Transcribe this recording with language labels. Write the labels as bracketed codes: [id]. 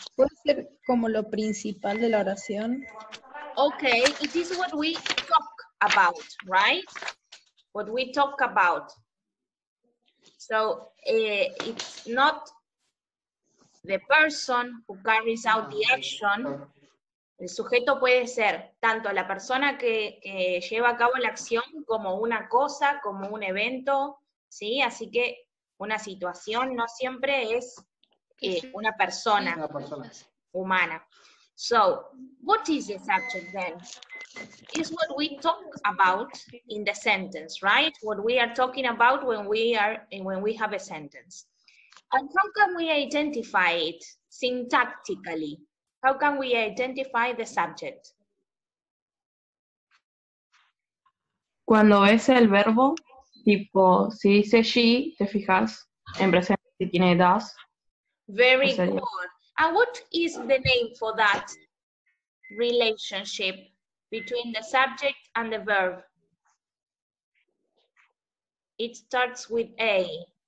[es] Puede ser como lo principal de la oración. [en] Okay, it is what we talk about, right? What we talk about. So it's not the person who carries out the action. [es] El sujeto puede ser tanto la persona que lleva a cabo la acción como una cosa, como un evento, ¿sí? Así que una situación no siempre es una persona, una persona humana. [en] So, what is the subject then? It's what we talk about in the sentence, right? What we are talking about when we have a sentence. And how can we identify it syntactically? How can we identify the subject? [es] Cuando es el verbo, tipo, si dice she, te fijas, en presente si tiene das. [en] Very good. And what is the name for that relationship between the subject and the verb? It starts with A.